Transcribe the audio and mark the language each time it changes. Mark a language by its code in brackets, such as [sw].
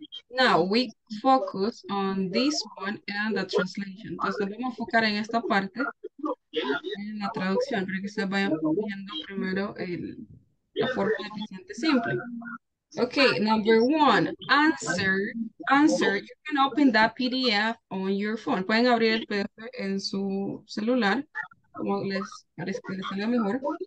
[en] Now we focus on this one and the translation. [es] Entonces vamos a enfocar en esta parte, en la traducción, para que ustedes vayan viendo primero la forma de presente simple. [en] Okay, number one, answer, you can open that PDF on your phone. [es] Pueden abrir el PDF en su celular, como les parece que salga mejor.